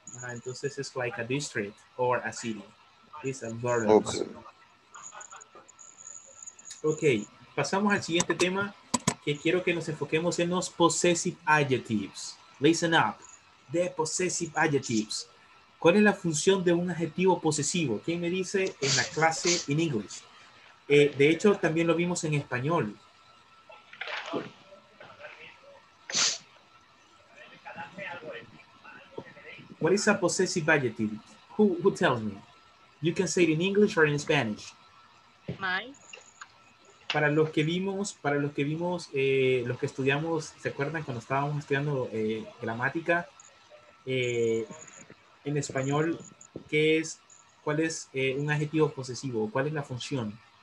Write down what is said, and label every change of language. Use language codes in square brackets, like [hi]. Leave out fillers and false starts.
[en] Entonces, it's like a district or a city. It's a borough. Okay, [es] pasamos al siguiente tema, que quiero que nos enfoquemos en los possessive adjectives. [en] Listen up. The possessive adjectives. [es] ¿Cuál es la función de un adjetivo posesivo? ¿Quién me dice en la clase [en] in English? [es] De hecho, también lo vimos en español. [en] What is a possessive adjective? Who tells me? You can say it in English or in Spanish. My. [es] Para los que vimos, los que estudiamos, ¿se acuerdan cuando estábamos estudiando gramática? En español, ¿qué es? ¿Cuál es un adjetivo posesivo? ¿Cuál es la función?